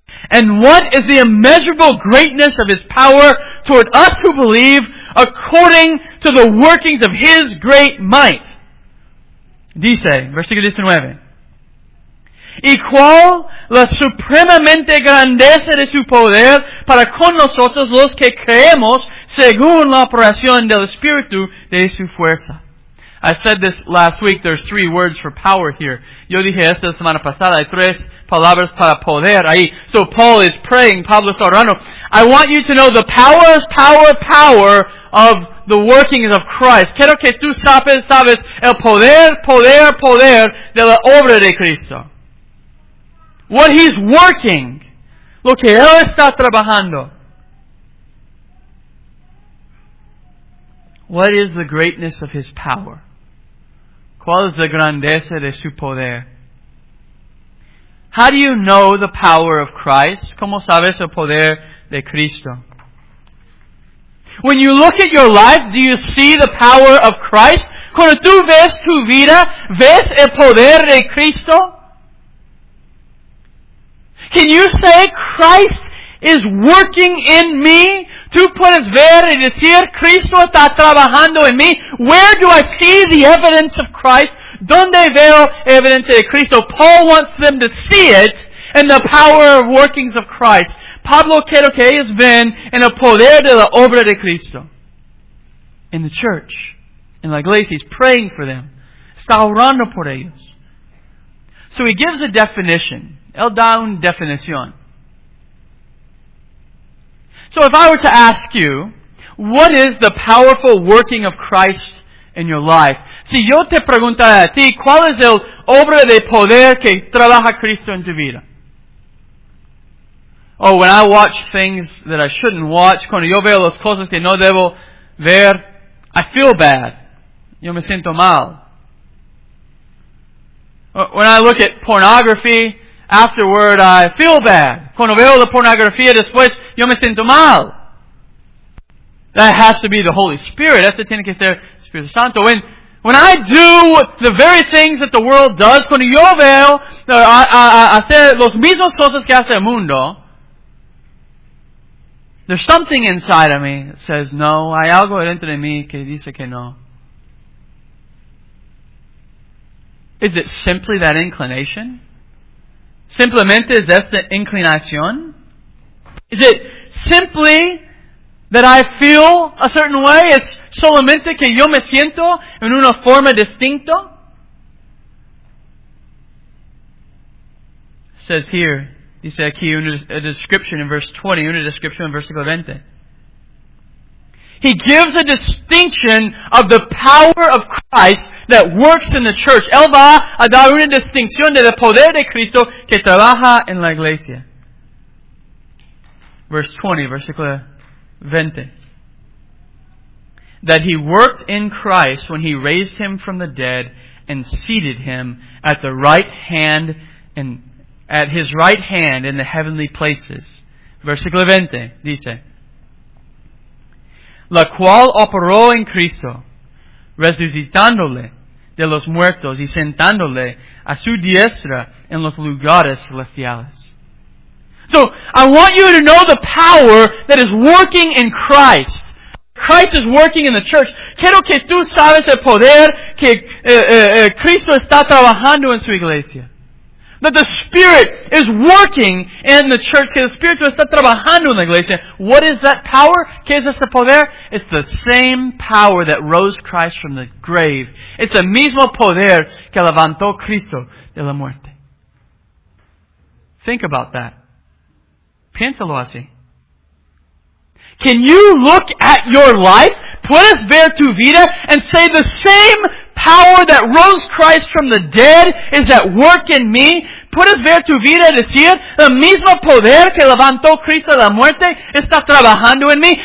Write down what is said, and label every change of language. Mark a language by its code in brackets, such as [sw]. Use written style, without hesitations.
[en] And what is the immeasurable greatness of His power toward us who believe according to the workings of His great might? [es] Dice, versículo 19. Y cuál la supremamente grandeza de su poder para con nosotros los que creemos según la operación del Espíritu de su fuerza. [en] I said this last week, there's three words for power here. [es] Yo dije esta semana pasada, hay tres palabras para poder ahí. [en] So Paul is praying, [es] Pablo está orando. [en] I want you to know the power of the workings of Christ. [es] Quiero que tú sabes el poder de la obra de Cristo. [en] What He's working. [es] Lo que Él está trabajando. [en] What is the greatness of His power? [es] ¿Cuál es la grandeza de su poder? [en] How do you know the power of Christ? [es] ¿Cómo sabes el poder de Cristo? [en] When you look at your life, do you see the power of Christ? [es] Cuando tú ves tu vida, ¿ves el poder de Cristo? [en] Can you say, Christ is working in me? [es] Tú puedes ver y decir, Cristo está trabajando en mí. [en] Where do I see the evidence of Christ? [es] ¿Dónde veo evidencia de Cristo? [en] Paul wants them to see it in the power of workings of Christ. [es] Pablo quiere que ellos ven en el poder de la obra de Cristo. [en] In the church. In [es] la iglesia. [en] He's praying for them. [es] Está orando por ellos. [en] So he gives a definition. [es] Él da una definición. [en] So if I were to ask you, what is the powerful working of Christ in your life? [es] Si yo te preguntara a ti, ¿cuál es el obra de poder que trabaja Cristo en tu vida? [en] Oh, when I watch things that I shouldn't watch, [es] cuando yo veo las cosas que no debo ver, [en] I feel bad. [es] Yo me siento mal. [en] When I look at pornography, afterward, I feel bad. [es] Cuando veo la pornografía después, yo me siento mal. [en] That has to be the Holy Spirit. [es] Eso tiene que ser el Espíritu Santo. [en] When I do the very things that the world does, [es] cuando yo veo hacer los mismos cosas que hace el mundo, [en] there's something inside of me that says no. [es] Hay algo dentro de mí que dice que no. [en] Is it simply that inclination? [es] Simplemente es esta inclinación? [en] Is it simply that I feel a certain way? [es] Es solamente que yo me siento en una forma distinta? [en] It says here, [es] dice aquí una descripción en verse 20, una descripción en versículo 20. [en] He gives a distinction of the power of Christ that works in the church. [es] Él va a dar una distinción de el poder de Cristo que trabaja en la iglesia. [en] Verse 20, versículo 20. That He worked in Christ when He raised Him from the dead and seated Him at the right hand and at His right hand in the heavenly places. [es] Versículo 20, dice. La cual operó en Cristo, resucitándole de los muertos y sentándole a su diestra en los lugares celestiales. [en] So, I want you to know the power that is working in Christ. Christ is working in the church. [es] Quiero que tú sabes el poder que Cristo está trabajando en su iglesia. [en] That the Spirit is working in the church. [es] Que el Espíritu está trabajando en la iglesia. [en] What is that power? [es] ¿Qué es ese poder? [en] It's the same power that rose Christ from the grave. It's the [es] mismo poder que levantó Cristo de la muerte. [en] Think about that. [es] Piénsalo así. [en] Can you look at your life? [es] Puedes ver tu vida [en] and say the same power that rose Christ from the dead is at work in me. [es] Puedes ver tu vida y decir, el mismo poder que levantó Cristo de la muerte está trabajando en mí.